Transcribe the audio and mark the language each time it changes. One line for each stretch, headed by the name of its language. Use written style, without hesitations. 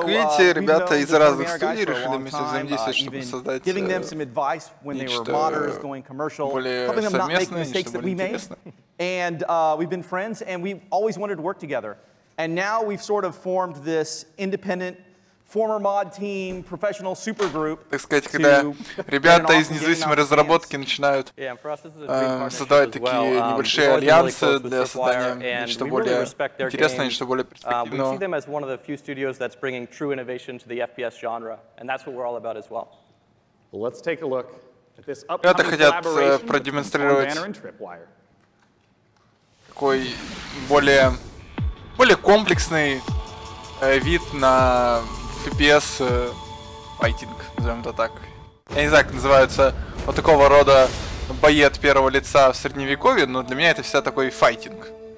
Russian: как видите, ребята из разных студий решили вместе взаимодействовать, чтобы создать
English: giving them some advice when they were modders, going commercial, helping them not make the mistakes that we made. And we've been friends, and we've always wanted to work together. And now we've sort of formed this independent former mod team, professional super group.
Russian: Так сказать, когда ребята из независимой разработки начинают создавать такие небольшие альянсы для создания нечто более интересное, нечто более перспективное.
English: We see them as one of the few studios that's bringing true innovation to the FPS genre, and that's what we're all about as well. Let's take a look at this upcoming collaboration.
Russian: Хотят продемонстрировать такой более комплексный вид на FPS файтинг, назовем это так. Я не знаю, как называются вот такого рода бои от первого лица в средневековье, но для меня это всегда такой файтинг.